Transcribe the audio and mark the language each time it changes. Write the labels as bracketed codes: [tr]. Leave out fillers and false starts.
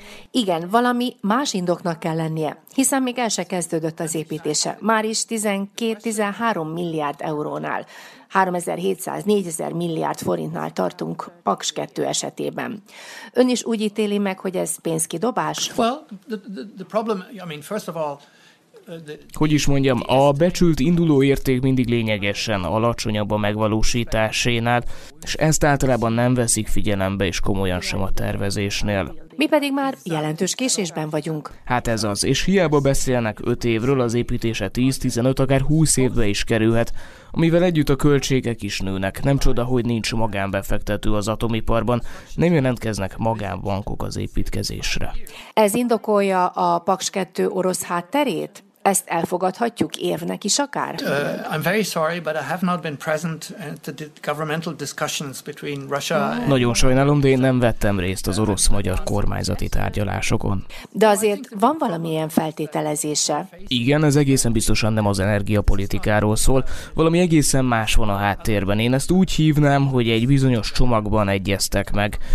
[hu] Igen, valami más indoknak kell lennie, hiszen még el se kezdődött az építése. Már is 12-13 milliárd eurónál, 3700-4000 milliárd forintnál tartunk Paks 2 esetében. Ön is úgy ítéli meg, hogy ez pénzkidobás? [en] Well, the problem, I mean, first of all, [hu] hogy is mondjam, a becsült induló érték mindig lényegesen alacsonyabb a megvalósításénál, és ezt általában nem veszik figyelembe és komolyan sem a tervezésnél. Mi pedig már jelentős késésben vagyunk. Hát ez az, és hiába beszélnek 5 évről, az építése 10-15, akár 20 évbe is kerülhet, amivel együtt a költségek is nőnek. Nem csoda, hogy nincs magánbefektető az atomiparban, nem jelentkeznek magánbankok az építkezésre. Ez indokolja a Paks 2 orosz hátterét? Ezt elfogadhatjuk évnek is akár? [en] I'm very sorry, but I have not been present at the governmental discussions between Russia. [hu] Nagyon sajnálom, de én nem vettem részt az orosz-magyar kormányzati tárgyalásokon. De azért van valamilyen feltételezése? Igen, ez egészen biztosan nem az energiapolitikáról szól. Valami egészen más van a háttérben. Én ezt úgy hívnám, hogy egy bizonyos csomagban egyeztek meg.